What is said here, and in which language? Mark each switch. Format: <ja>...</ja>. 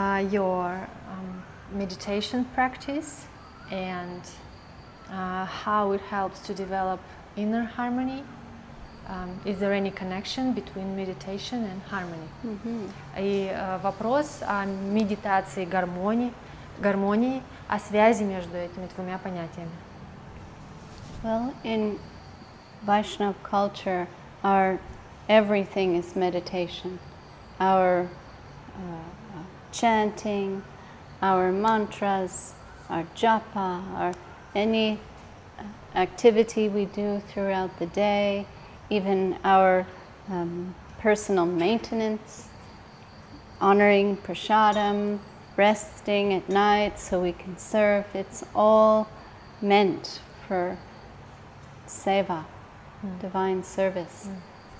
<en>your meditation practice and how it helps to develop inner harmony. Is there any connection between meditation and harmony? Mm-hmm.</en> <ru>И вопрос о медитации гармонии, о связи между этими двумя понятиями.</ru> <en>Well, in Vaishnava culture, our everything is meditation. Our chanting, our mantras, our japa, our any activity we do throughout the day, even our personal maintenance, honoring prasadam, resting at night so we can serve, it's all meant for seva, divine service. Mm.</en>